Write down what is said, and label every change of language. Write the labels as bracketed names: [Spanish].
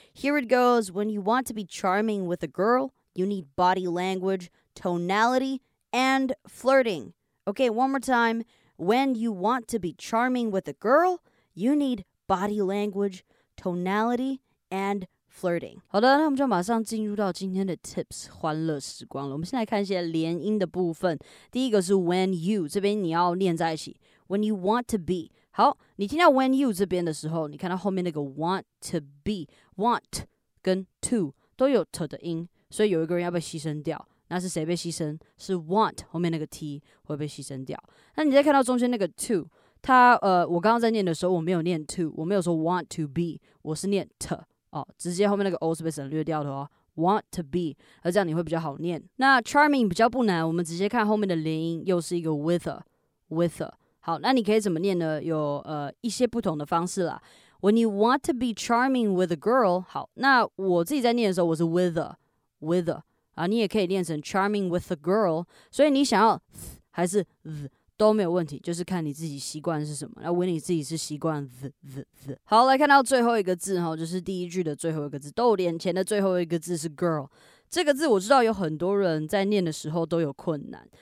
[English] Here it goes: when you want to be charming with a girl, you need body language, tonality, and flirting. Okay, one more time. When you want to be charming with a girl, you need body language, tonality, and flirting. [Chinese] 好的，那我们就马上进入到今天的 tips 欢乐时光了。我们先来看一些连音的部分。第一个是 when you， 这边你要念在一起。 [English] When you want to be， [Chinese] 好，你听到 when you 这边的时候，你看到后面那个 [English] want to be， [Chinese] want 跟 to 都有 t 的音，所以有一个人要被牺牲掉。那是谁被牺牲？是 want 后面那个 t 会被牺牲掉。那你再看到中间那个 to。他我刚刚在念的时候，我没有念 to， 我没有说 [English] want to be， [Chinese] 我是念 t 哦，直接后面那个 o 是被省略掉的哦。 [English] want to be， [Chinese] 而这样你会比较好念。那 charming 比较不难，我们直接看后面的连音，又是一个 [English] with a。 [Chinese] 好，那你可以怎么念呢？有一些不同的方式啦。 [English] When you want to be charming with a girl， [Chinese] 好，那我自己在念的时候，我是 [English] with a [Chinese] 啊，你也可以念成 charming with a girl。所以你想要 th 还是 th？ 都没有问题，就是看你自己习惯是什么。那问你自己是习惯 th 好，来看到最后一个字，就是第一句的最后一个字，逗点前的最后一个字是 girl。这个字我知道有很多人在念的时候都有困难。